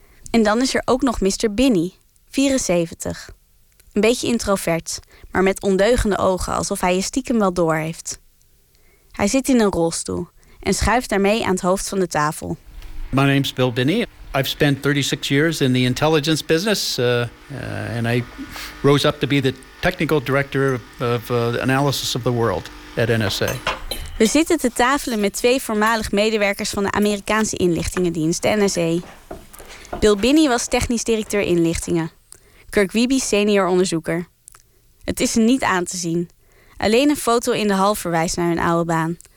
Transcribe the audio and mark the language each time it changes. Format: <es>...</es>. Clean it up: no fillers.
<nl>En dan is er ook nog Mr. Binnie, 74. Een beetje introvert, maar met ondeugende ogen, alsof hij je stiekem wel door heeft. Hij zit in een rolstoel en schuift daarmee aan het hoofd van de tafel.</nl> <en>My name's Bill Binney. I've spent 36 years in the intelligence business. And I rose up to be the technical director of the analysis of the world at NSA.</en> <nl>We zitten te tafelen met twee voormalig medewerkers van de Amerikaanse inlichtingendienst, de NSA. Bill Binney was technisch directeur inlichtingen. Kirk Wiebe, senior onderzoeker. Het is er niet aan te zien. Alleen een foto in de hal verwijst naar hun oude baan.</nl>